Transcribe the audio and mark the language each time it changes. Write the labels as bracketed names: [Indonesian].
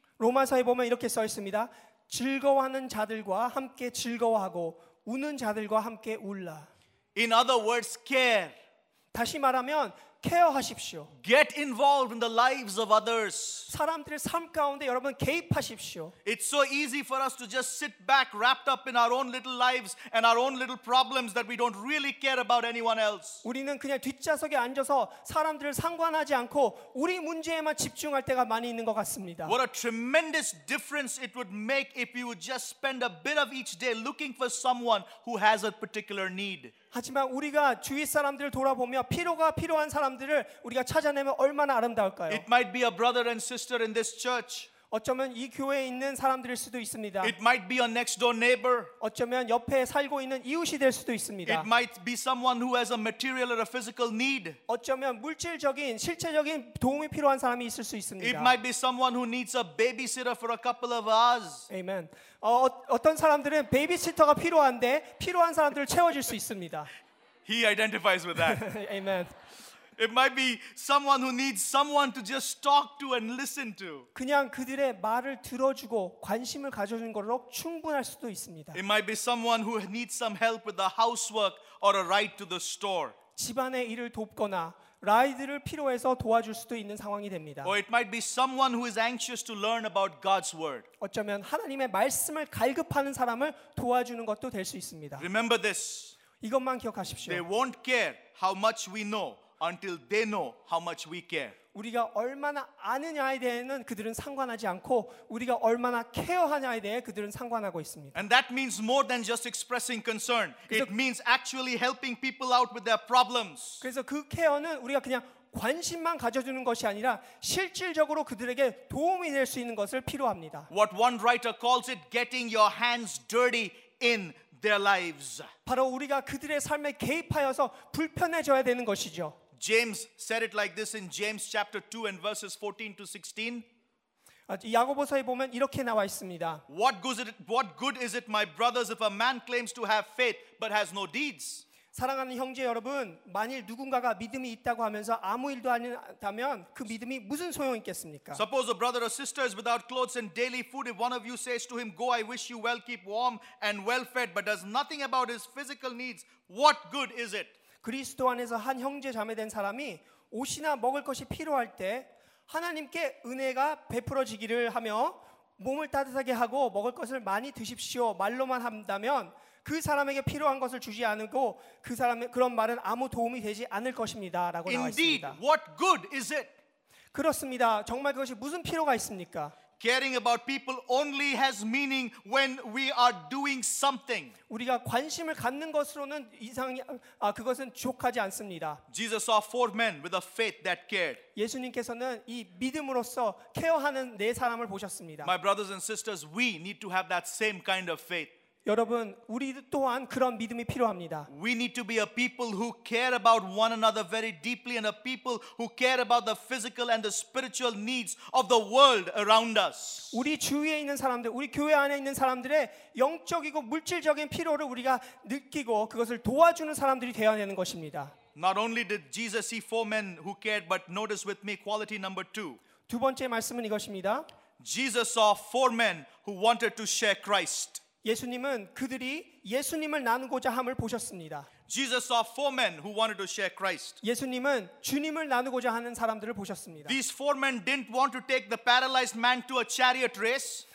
[Korean] 로마서에 보면 이렇게 써 있습니다. 즐거워하는 자들과 함께 즐거워하고 우는 자들과 함께 울라. [English] In other words, care. [Korean] 다시 말하면 케어하십시오. [English] Get involved in the lives of others. [Korean] 사람들의 삶 가운데 여러분 개입하십시오. [English] It's so easy for us to just sit back wrapped up in our own little lives and our own little problems that we don't really care about anyone else. [Korean] 우리는 그냥 뒷좌석에 앉아서 사람들을 상관하지 않고 우리 문제에만 집중할 때가 많이 있는 것 같습니다. [English] What a tremendous difference it would make if you would just spend a bit of each day looking for someone who has a particular need. [Korean] 하지만 우리가 주위 사람들을 돌아보며 필요가 필요한 사람들을 우리가 찾아내면 얼마나 아름다울까요? [English] It might be a brother and sister in this church. [Korean] 어쩌면 이 교회에 있는 사람들일 수도 있습니다. [English] It might be a next door neighbor. [Korean] 어쩌면 옆에 살고 있는 이웃이 될 수도 있습니다. [English] It might be someone who has a material or a physical need. [Korean] 어쩌면 물질적인 실체적인 도움이 필요한 사람이 있을 수 있습니다. [English] It might be someone who needs a babysitter for a couple of hours. Amen. [Korean] 어떤 사람들은 베이비시터가 필요한데 필요한 사람들을 채워줄 수 있습니다. [English] He identifies with that. Amen. It might be someone who needs someone to just talk to and listen to. [Korean] 그냥 그들의 말을 들어주고 관심을 가져주는 것으로 충분할 수도 있습니다. [English] It might be someone who needs some help with the housework or a ride to the store. [Korean] 집안의 일을 돕거나 라이드를 필요해서 도와줄 수도 있는 상황이 됩니다. [English] Or it might be someone who is anxious to learn about God's word. [Korean] 어쩌면 하나님의 말씀을 갈급하는 사람을 도와주는 것도 될 수 있습니다. [English] Remember this. [Korean] 이것만 기억하십시오. [English] They won't care how much we know. Until they know how much we care. [Korean] 우리가 얼마나 아느냐에 대해서는 그들은 상관하지 않고 우리가 얼마나 케어하냐에 대해 그들은 상관하고 있습니다. [English] And that means more than just expressing concern. It means actually helping people out with their problems. [Korean] 그래서 그 케어는 우리가 그냥 관심만 가져주는 것이 아니라 실질적으로 그들에게 도움이 될 수 있는 것을 필요합니다. [English] What one writer calls it, getting your hands dirty in. Their lives. [Korean] 바로 우리가 그들의 삶에 개입하여서 불편해져야 되는 것이죠. [English] James said it like this in James chapter 2 and verses 14 to 16. [Korean] 야고보서에 보면 이렇게 나와 있습니다. [English] What good is it, my brothers, if a man claims to have faith but has no deeds? [Korean] 사랑하는 형제 여러분, 만일 누군가가 믿음이 있다고 하면서 아무 일도 아니다면 그 믿음이 무슨 소용이 있겠습니까? [English] Suppose a brother or sister is without clothes and daily food. If one of you says to him, "Go, I wish you well, keep warm and well fed," but does nothing about his physical needs, what good is it? [Korean] 그리스도 안에서 한 형제 자매 된 사람이 옷이나 먹을 것이 필요할 때 하나님께 은혜가 베풀어지기를 하며 몸을 따뜻하게 하고 먹을 것을 많이 드십시오 말로만 한다면 그 사람에게 필요한 것을 주지 않고 그 사람의 그런 말은 아무 도움이 되지 않을 것입니다라고 [English] Indeed, [Korean] 나와 있습니다. [English] What good is it? [Korean] 그렇습니다. 정말 그것이 무슨 필요가 있습니까? [English] Caring about people only has meaning when we are doing something. [Korean] 우리가 관심을 갖는 것으로는 이상이 아 그것은 족하지 않습니다. [English] Jesus saw four men with a faith that cared. [Korean] 예수님께서는 이 믿음으로서 케어하는 네 사람을 보셨습니다. [English] My brothers and sisters, we need to have that same kind of faith. [Korean] 여러분, 우리 또한 그런 믿음이 필요합니다. [English] We need to be a people who care about one another very deeply and a people who care about the physical and the spiritual needs of the world around us. [Korean] 우리 주위에 있는 사람들, 우리 교회 안에 있는 사람들의 영적이고 물질적인 필요를 우리가 느끼고 그것을 도와주는 사람들이 되어야 되는 것입니다. [English] Not only did Jesus see four men who cared, but notice with me quality number two. [Korean] 두 번째 말씀은 이것입니다. [English] Jesus saw four men who wanted to share Christ. [Korean] 예수님은 그들이 예수님을 나누고자 함을 보셨습니다. [English] Jesus saw four men who wanted to share Christ. [Korean] 예수님은 주님을 나누고자 하는 사람들을 보셨습니다. [English] These four men didn't want to take the paralyzed man to a chariot race.